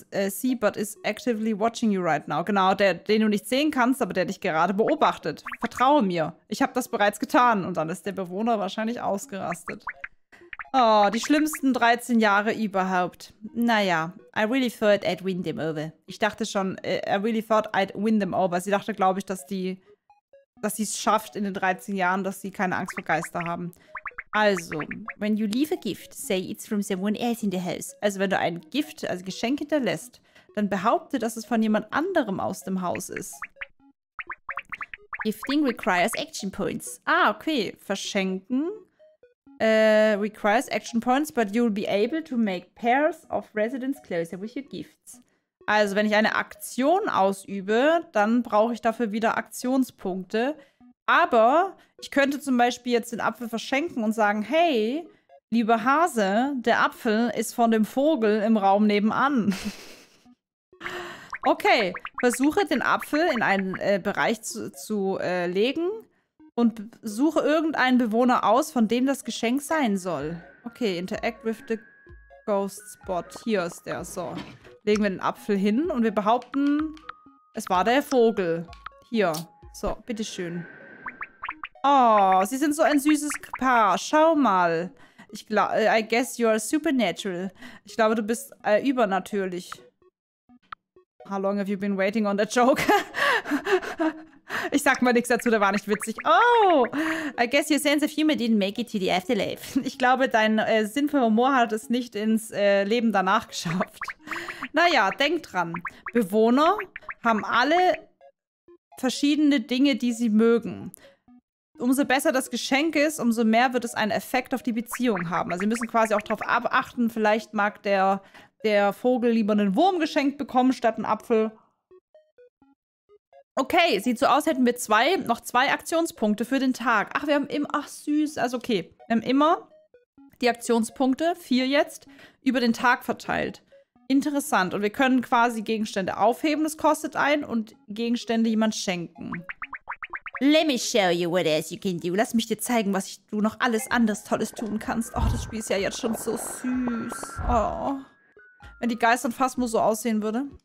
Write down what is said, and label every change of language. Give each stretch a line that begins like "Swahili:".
English: See, but is actively watching you right now.
German: Genau, der, den du nicht sehen kannst, aber der dich gerade beobachtet. Vertraue mir. Ich habe das bereits getan. Und dann ist der Bewohner wahrscheinlich ausgerastet. Oh, die schlimmsten 13 Jahre überhaupt.
English: Naja, I really thought I'd win them over.
German: Ich dachte schon,
English: I really thought I'd win them over.
German: Sie dachte, glaube ich, dass sie es schafft in den 13 Jahren, dass sie keine Angst vor Geister haben.
English: Also, when you leave a gift, say it's from someone else in the house.
German: Also, wenn du ein Gift, also Geschenk hinterlässt, dann behaupte, dass es von jemand anderem aus dem Haus ist.
English: Gifting requires action points. Ah, okay.
German: Verschenken
English: requires action points, but you'll be able to make pairs of residents closer with your gifts.
German: Also, wenn ich eine Aktion ausübe, dann brauche ich dafür wieder Aktionspunkte. Aber ich könnte zum Beispiel jetzt den Apfel verschenken und sagen, hey, lieber Hase, der Apfel ist von dem Vogel im Raum nebenan. Okay, versuche den Apfel in einen Bereich zu legen und suche irgendeinen Bewohner aus, von dem das Geschenk sein soll.
English: Okay, interact with the ghost spot.
German: Hier ist der. So, legen wir den Apfel hin und wir behaupten, es war der Vogel. Hier, so, bitteschön. Oh, sie sind so ein süßes Paar. Schau mal. Ich glaube,
English: I guess you are supernatural.
German: Ich glaube, du bist übernatürlich.
English: How long have you been waiting on that joke?
German: Ich sag mal nichts dazu, der war nicht witzig.
English: Oh, I guess your sense of humor didn't make it to the afterlife.
German: Ich glaube, dein Sinn für Humor hat es nicht ins Leben danach geschafft. Naja, denk dran. Bewohner haben alle verschiedene Dinge, die sie mögen. Umso besser das Geschenk ist, umso mehr wird es einen Effekt auf die Beziehung haben. Also sie müssen quasi auch darauf achten, vielleicht mag der Vogel lieber einen Wurm geschenkt bekommen statt einen Apfel. Okay, sieht so aus, hätten wir noch zwei Aktionspunkte für den Tag. Ach, wir haben immer, ach süß, also okay. Wir haben immer die Aktionspunkte, 4 jetzt, über den Tag verteilt. Interessant. Und wir können quasi Gegenstände aufheben, das kostet einen, und Gegenstände jemand schenken.
English: Let me show you what else you can do.
German: Lass mich dir zeigen, was du noch alles anderes Tolles tun kannst. Oh, das Spiel ist ja jetzt schon so süß. Oh. Wenn die Geister und Phasmo so aussehen würde.